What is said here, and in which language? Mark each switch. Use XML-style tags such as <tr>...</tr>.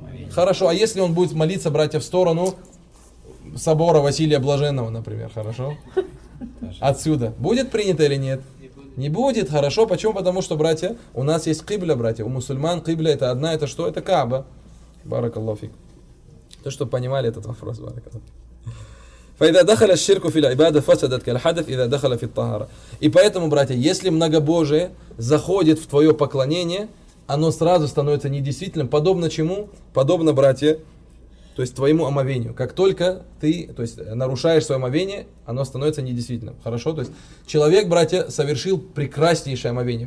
<ru>Хорошо, а если он будет молиться, братья, в сторону собора Василия Блаженного, например, хорошо? Отсюда. Будет принято или нет? Не будет, хорошо. Почему? Потому что, братья, у нас есть кибля, братья. У мусульман кибля — это одна, это что? Это Кааба.</ru> <ar>Баракаллаху фик.</ar> <ru>То, чтобы понимали этот вопрос,</ru> <ar>баракаллаху фик. فإذا دخل الشرك في العبادة فسدت كالحدث إذا دخل في الطهارة.</ar> <ru>И поэтому, братья, если многобожие заходит в твое поклонение, оно сразу становится недействительным. Подобно чему? Подобно, братья, то есть твоему омовению. Как только ты, то есть, нарушаешь свое омовение, оно становится недействительным. Хорошо? То есть человек, братья, совершил прекраснейшее омовение.</ru>